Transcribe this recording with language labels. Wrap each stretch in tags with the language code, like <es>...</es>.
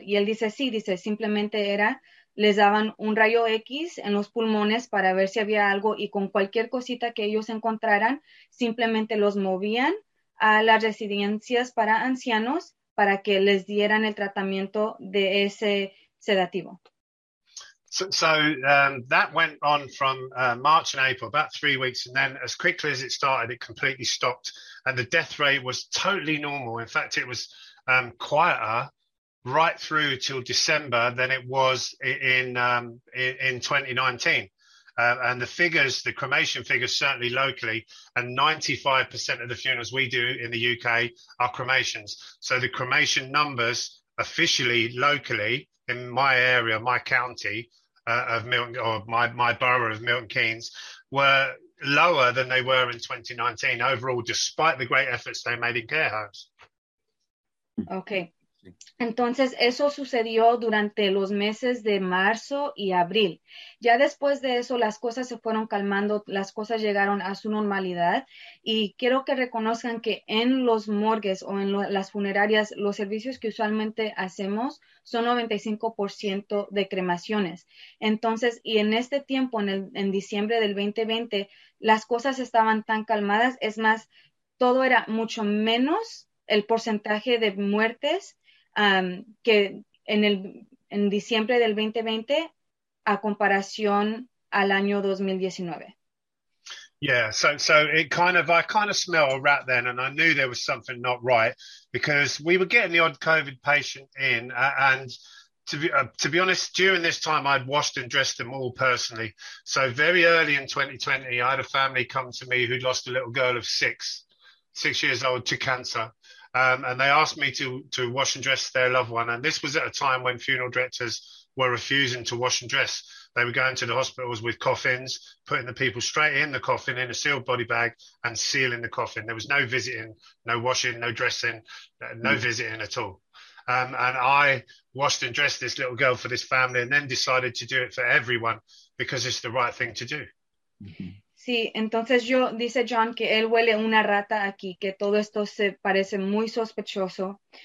<es>Y él dice, sí, dice, simplemente les daban un rayo X en los pulmones para ver si había algo y con cualquier cosita que ellos encontraran, simplemente los movían a las residencias para ancianos para que les dieran el tratamiento de ese sedativo.</es> <en>That went on from March and April, about 3 weeks, and then as quickly as it started, it completely stopped, and the death rate was totally normal. In fact, it was quieter right through till December than it was in 2019, and the figures, the cremation figures, certainly locally, and 95% of the funerals we do in the UK are cremations. So the cremation numbers officially, locally, in my area, my county of Milton, or my borough of Milton Keynes, were lower than they were in 2019 overall, despite the great efforts they made in care homes. Okay.</en> <es>Entonces, eso sucedió durante los meses de marzo y abril. Ya después de eso, las cosas se fueron calmando, las cosas llegaron a su normalidad. Y quiero que reconozcan que en los morgues o en las funerarias, los servicios que usualmente hacemos son 95% de cremaciones. Entonces, y en este tiempo, en diciembre del 2020, las cosas estaban tan calmadas. Es más, todo era mucho menos el porcentaje de muertes que en diciembre del 2020 a comparación al año 2019.</es> <en>Yeah, so it kind of, I kind of smell a rat then, and I knew there was something not right, because we were getting the odd COVID patient in, and to be honest, during this time I'd washed and dressed them all personally. So very early in 2020, I had a family come to me who'd lost a little girl of six years old to cancer. And they asked me to wash and dress their loved one. And this was at a time when funeral directors were refusing to wash and dress. They were going to the hospitals with coffins, putting the people straight in the coffin in a sealed body bag and sealing the coffin. There was no visiting, no washing, no dressing, no visiting at all. And I washed and dressed this little girl for this family, and then decided to do it for everyone because it's the right thing to do. Mm-hmm.</en> <es>Sí, entonces dice John que él huele una rata aquí, que todo esto se parece muy sospechoso.</es>